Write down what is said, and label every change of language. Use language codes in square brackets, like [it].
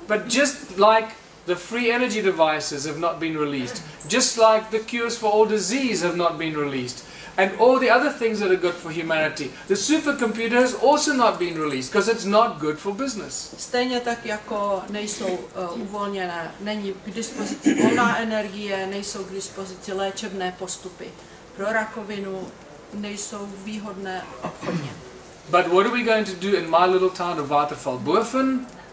[en] But just like the free energy devices have not been released, just like the cures for all disease have not been released, and all the other things that are good for humanity, the supercomputer has also not been released because it's not good for business. [cs] Stejně tak jako nejsou uvolněné, není k dispozici volná energie, nejsou k dispozici léčebné postupy pro rakovinu, nejsou výhodné obchodně. [en] But what are we going to do in my little town of Waterfall-Burfen?